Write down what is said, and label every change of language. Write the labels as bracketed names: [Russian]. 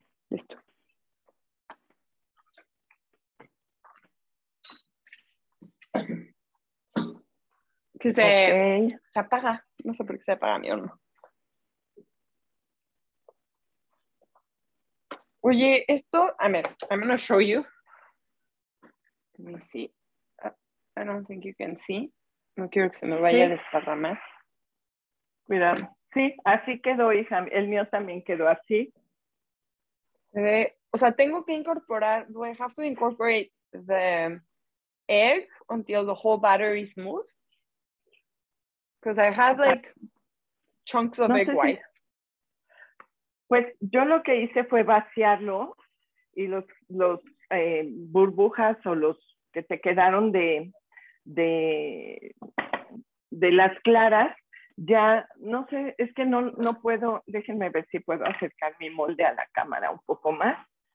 [Spanish] Listo. Sí, se apaga. No sé por qué se apaga mi horno. Oye, esto, a ver, [English] I'm going to show you. Let me see. I don't think you can see. [Spanish] No quiero que se me vaya a desparramar. Cuidado. Sí, así quedó, hija. El mío también quedó así. O sea, tengo que incorporar, [English] do I have to incorporate the egg until the whole batter is smooth? Because I have like chunks of egg whites. [Spanish] Pues yo lo que hice fue vaciarlo y los burbujas o los que te quedaron de las claras. Ya, no sé, es que no puedo, déjenme ver si puedo acercar mi molde a la cámara un poco más.